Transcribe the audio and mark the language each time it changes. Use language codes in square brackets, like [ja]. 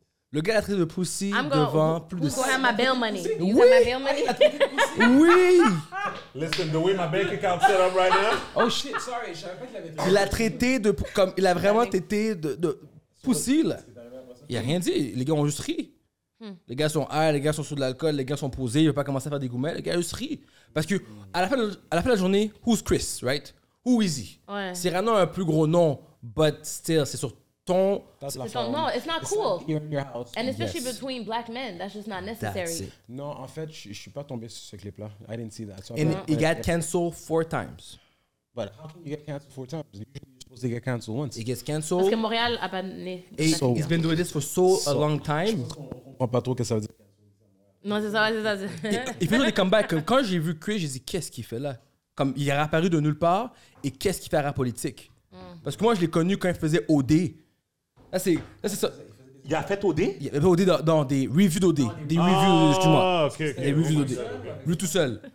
[fr] Le gars a traité de pussy devant plus de 6 ans. [en] Who's going to have my bail money? [fr] Oui! [en] My bail money? [fr] Oui! [en] Listen, the way my bank account set up right now. Oh shit, sorry, [fr] je savais pas qu'il avait traité. Il a traité de. Comme, il a vraiment traité de pussy, là. Il a rien dit. Les gars ont juste ri. Les gars sont high, les gars sont sous de l'alcool, les gars sont posés, ils ne veulent pas commencer à faire des gourmets. Les gars ont juste ri. Parce que, à la fin de la journée, [en] who's Chris, right? Who is he? [fr] Ouais. C'est vraiment un plus gros nom, [en] but still, [fr] c'est sur. Ton [en] no, it's not cool. And especially yes. Between black men, that's just not necessary. [fr] Non, en fait, je suis pas tombé sur ce clip là. [en] I didn't see that. So and he got canceled 4 times. But how can you get canceled 4 times? You're supposed to get canceled once. He gets canceled. [fr] Parce que Montréal a banné. [en] He's been doing this for a long time. [fr] Je comprends pas trop ce que ça veut dire. Non, c'est ça. Il fait des comebacks. Quand j'ai vu Chris, j'ai dit qu'est-ce qu'il fait là? Comme il est apparu de nulle part et qu'est-ce qu'il fait à la politique? Parce que moi, je l'ai connu quand il faisait OD. Là, c'est ça. Il a fait OD? Il a fait OD dans des reviews d'OD. Des reviews, excuse-moi. Des reviews d'OD. Lui tout seul.